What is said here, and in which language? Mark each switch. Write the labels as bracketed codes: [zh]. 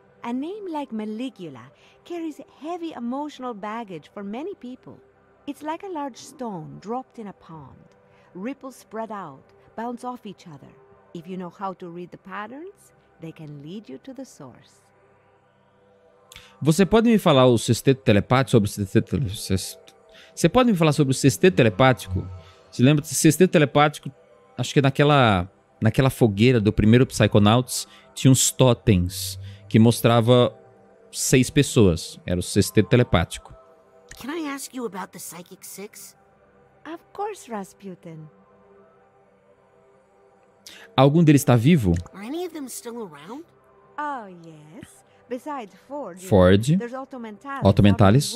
[en] A name like Maligula carries heavy emotional baggage for many people. It's like a large stone dropped in a pond. Ripples spread out, bounce off each other. If you know how to read the patterns, they can lead you to the source. [pt] Você pode me falar o sexteto telepático sobre o sexteto Você pode me falar sobre o sexteto telepático? Se lembra do sexteto telepático? Acho que naquela fogueira do primeiro Psychonauts tinha uns totens que mostrava 6 pessoas. Era o sexteto telepático. [en] Can I ask you about the Psychic Six? Of course, Rasputin. [pt] Algum deles está vivo? [en] Are any of them still around? Oh, yes. Besides Ford. Ford. There's Otto Mentalis. Otto Mentalis.